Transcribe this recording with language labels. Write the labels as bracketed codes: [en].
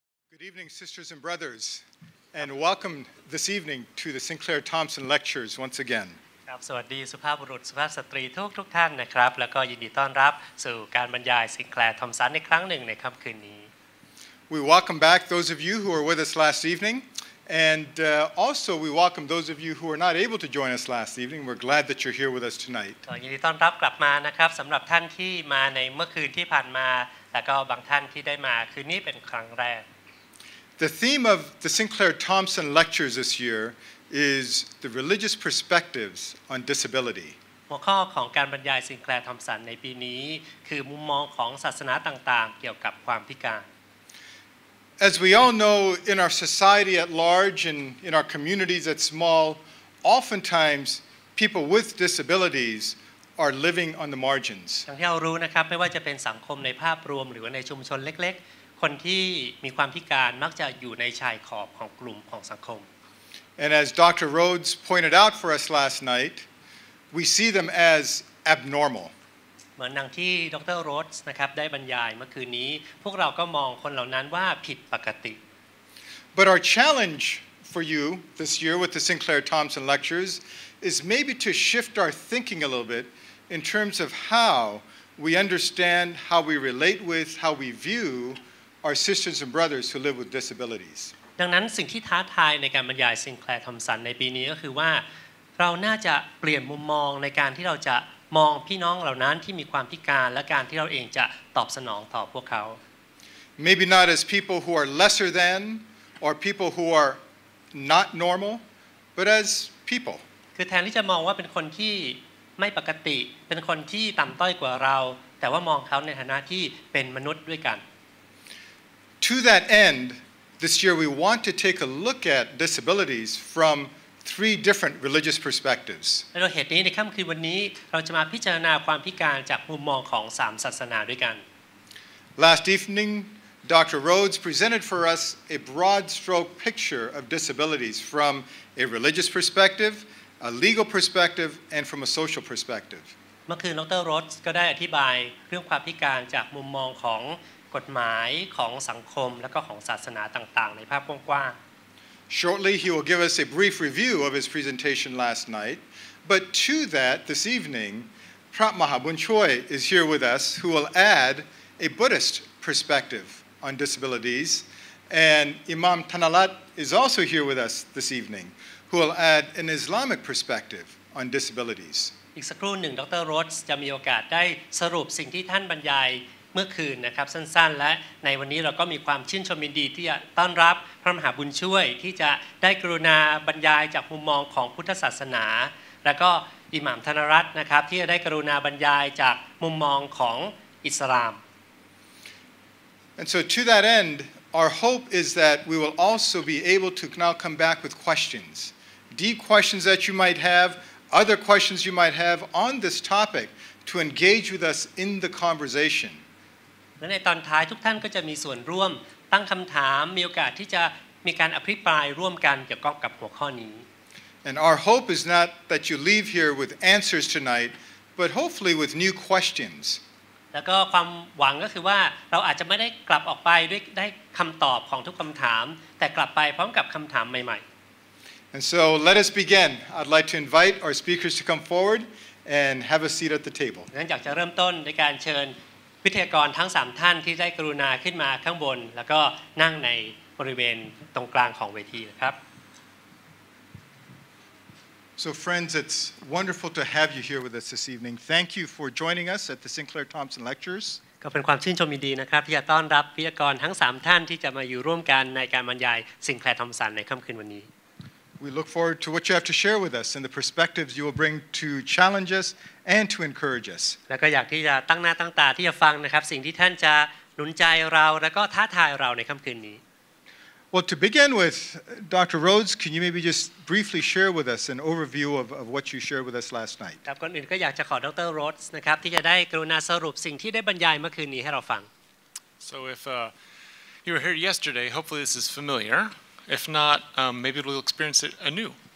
[en] Good evening, sisters and brothers, and welcome this evening to the Sinclair Thompson lectures once again. [th] ครับสวัสดีสุภาพบุรุษสุภาพสตรีทุกท่านนะครับแล้วก็ยินดีต้อนรับสู่การบรรยายซินแคลร์ทอมสันอีกครั้งหนึ่งในค่ำคืนนี้ [en] We welcome back those of you who are with us last evening, and also we welcome those of you who are not able to join us last evening. We're glad that you're here with us tonight. [th] ยินดีต้อนรับกลับมานะครับสำหรับท่านที่มาในเมื่อคืนที่ผ่านมาแล้วก็บางท่านที่ได้มาคืนนี้เป็นครั้งแรก [en] The theme of the Sinclair Thompson lectures this year is the religious perspectives on disability. [th] หัวข้อของการบรรยายซินแคลร์ทอมสันในปีนี้คือมุมมองของศาสนาต่างๆเกี่ยวกับความพิการ [en] As we all know in our society at large and in our communities at small, oftentimes people with disabilities are living on the margins. [th] อย่างที่เรารู้นะครับไม่ว่าจะเป็นสังคมในภาพรวมหรือในชุมชนเล็กๆคนที่มีความพิการมักจะอยู่ในชายขอบของกลุ่มของสังคม [en] And as Dr. Rhodes pointed out for us last night, we see them as abnormal. [th] เหมือนดังที่ดร. Rhodes นะครับได้บรรยายเมื่อคืนนี้พวกเราก็มองคนเหล่านั้นว่าผิดปกติ [en] But our challenge for you this year with the Sinclair Thompson lectures is maybe to shift our thinking a little bit in terms of how we understand, how we relate with, how we view. Our sisters and brothers who live with disabilities. [th] ดังนั้นสิ่งที่ท้าทายในการบรรยายซินแคลร์ทอมสันในปีนี้ก็คือว่าเราน่าจะเปลี่ยนมุมมองในการที่เราจะมองพี่น้องเหล่านั้นที่มีความพิการและการที่เราเองจะตอบสนองต่อพวกเขา [en] Maybe not as people who are lesser than or people who are not normal, but as people. [th] คือแทนที่จะมองว่าเป็นคนที่ไม่ปกติเป็นคนที่ต่ำต้อยกว่าเราแต่ว่ามองเขาในฐานะที่เป็นมนุษย์ด้วยกัน [en] To that end, this year we want to take a look at disabilities from three different religious perspectives. [th] เราเหตุนี้ในค่ำคืนวันนี้เราจะมาพิจารณาความพิการจากมุมมองของสามศาสนาด้วยกัน [en] Last evening, Dr. Rhodes presented for us a broad stroke picture of disabilities from a religious perspective, a legal perspective, and from a social perspective. [th] เมื่อคืนดร. Rhodes ก็ได้อธิบายเรื่องความพิการจากมุมมองของกฎหมายของสังคมและก็ของศาสนาต่างๆในภาพกว้าง [en] ๆ Shortly he will give us a brief review of his presentation last night but to that this evening Prat Mahabun Choi is here with us who will add a Buddhist perspective on disabilities and Imam Tanalat is also here with us this evening who will add an Islamic perspective on disabilities [th] อีกสักครู่หนึ่งดร. Rhodes จะมีโอกาสได้สรุปสิ่งที่ท่านบรรยายเมื่อคืนนะครับสั้นๆและในวันนี้เราก็มีความชื่นชมยินดีที่จะต้อนรับพระมหาบุญช่วยที่จะได้กรุณาบรรยายจากมุมมองของพุทธศาสนาแล้วก็อิหม่ามธนรัตน์นะครับที่จะได้กรุณาบรรยายจากมุมมองของอิสลาม [en] And so to that end our hope is that we will also be able to now come back with questions deep questions that you might have other questions you might have on this topic to engage with us in the conversation [th] และในตอนท้ายทุกท่านก็จะมีส่วนร่วมตั้งคำถามมีโอกาสที่จะมีการอภิปรายร่วมกันเกี่ยวกับหัวข้อนี้ [en] And our hope is not that you leave here with answers tonight but hopefully with new questions [th] แล้วก็ความหวังก็คือว่าเราอาจจะไม่ได้กลับออกไปด้วยได้คำตอบของทุกคำถามแต่กลับไปพร้อมกับคำถามใหม่ๆ [en] And so let us begin I'd like to invite our speakers to come forward and have a seat at the table [th] งั้นอยากจะเริ่มต้นในการเชิญวิทยากรทั้ง3ท่านที่ได้กรุณาขึ้นมาข้างบนแล้วก็นั่งในบริเวณตรงกลางของเวทีนะครับ [en] So friends it's wonderful to have you here with us this evening. Thank you for joining us at the Sinclair Thompson Lectures. [th] ก็เป็นความชื่นชมยินดีนะครับที่จะต้อนรับวิทยากรทั้ง3ท่านที่จะมาอยู่ร่วมกันในการบรรยายซินแคลร์ทอมสันในค่ําคืนวันนี้ [en] We look forward to what you have to share with us and the perspectives you will bring to challenge usand to encourage us [th] แล้วก็อยากที่จะตั้งหน้าตั้งตาที่จะฟังนะครับสิ่งที่ท่านจะหนุนใจเราแล้วก็ท้าทายเราในค่ําคืนนี้ [en] Well to begin with Dr. Rhodes can you maybe just briefly share with us an overview of what you shared with us last night [th] ครับก่อนอื่นก็อยากจะขอดร. Rhodes นะครับที่จะได้กรุณาสรุปสิ่งที่ได้บรรยายเมื่อคืนนี้ให้เราฟัง [en] So if you were here yesterday hopefully this is familiar if not maybe we'll experience it anew